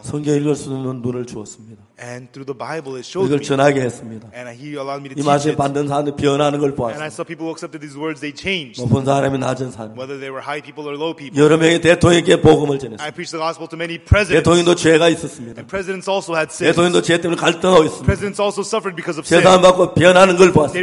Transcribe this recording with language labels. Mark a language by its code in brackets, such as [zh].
[ko] 성경 읽을 수 있는 눈을 주었습니다 [en] And through the Bible it showed me [ko] 이걸 전하게 했습니다 [en] And he allowed me to [ko] 이 말씀 받는 사람들 변하는 걸 보았어 [en] And I saw people who accepted these words they changed [ko] 높은 사람이 낮은 사람 [en] Whether they were high people or low people [ko] 여러 명의 대통령에게 복음을 전했어 [en] I preached the gospel to many presidents [ko] 대통령도 죄가 있었습니다 [en] And presidents also had sins [ko] 대통령도 죄 때문에 갈등하고 있습니다 [en] Also suffered because of sin. [ko] 재단 받고 변하는 걸 봤어.